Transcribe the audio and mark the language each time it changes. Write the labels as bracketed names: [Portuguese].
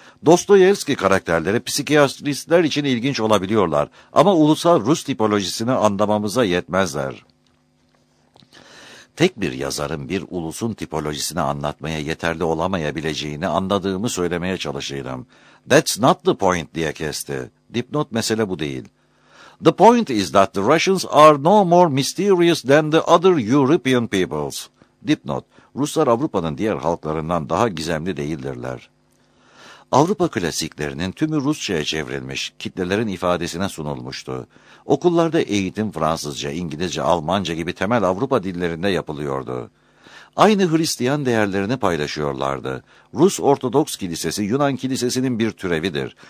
[Turkish] Dostoyevski karakterleri psikiyatristler için ilginç olabiliyorlar ama ulusal Rus tipolojisini anlamamıza yetmezler. Tek bir yazarın bir ulusun tipolojisini anlatmaya yeterli olamayabileceğini anladığımı söylemeye çalışıyorum. [English] That's not the point [Turkish] diye kesti. Dipnot mesele bu değil. [English] The point is that the Russians are no more mysterious than the other European peoples. [Turkish] Dipnot. Ruslar Avrupa'nın diğer halklarından daha gizemli değildirler. Avrupa klasiklerinin tümü Rusça'ya çevrilmiş, kitlelerin ifadesine sunulmuştu. Okullarda eğitim Fransızca, İngilizce, Almanca gibi temel Avrupa dillerinde yapılıyordu. Aynı Hristiyan değerlerini paylaşıyorlardı. Rus Ortodoks Kilisesi Yunan Kilisesi'nin bir türevidir.